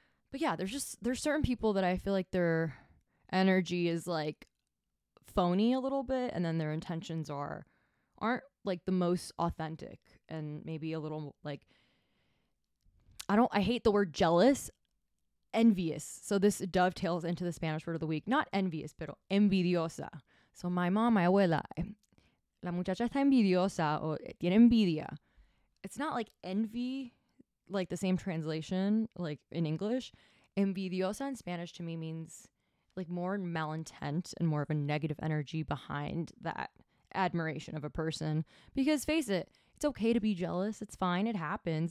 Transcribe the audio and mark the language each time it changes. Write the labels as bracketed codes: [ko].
[en] But yeah, there's certain people that I feel like their energy is like phony a little bit, and then their intentions aren't like the most authentic, and maybe a little like, I hate the word jealous, envious. So this dovetails into the Spanish word of the week. Not envious, [es] pero envidiosa. [en] So my mom, my [es] abuela, la muchacha está envidiosa o tiene envidia. [en] It's not like envy, like the same translation, like in English. Envidiosa in Spanish to me means like more malintent and more of a negative energy behind that admiration of a person. Because face it, it's okay to be jealous. It's fine. It happens.